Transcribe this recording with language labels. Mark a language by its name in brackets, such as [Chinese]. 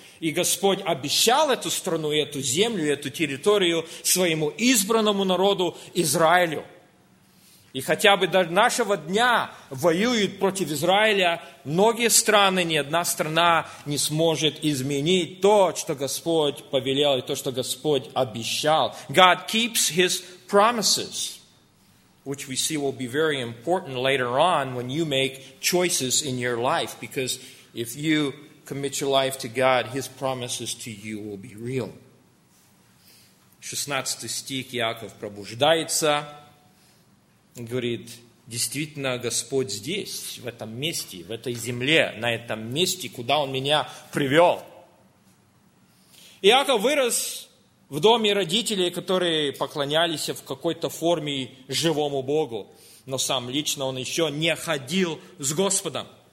[Russian] И Господь обещал эту страну, эту землю, эту территорию своему избранному народу Израилю. И хотя бы до нашего дня воюют против Израиля, многие страны, ни одна страна не сможет изменить то, что Господь повелел, и то, что Господь обещал. [English] God keeps His promises, which we see will be very important later on when you make choices in your life, because if you commit your life to God, His promises to you will be real. [Russian] 16 стих, Яков пробуждается, говорит, действительно, Господь здесь, в этом месте, в этой земле, на этом месте, куда Он меня привел. Яков вырос в доме родителей, которые поклонялись в какой-то форме живому Богу, но сам лично он еще не ходил с Господом.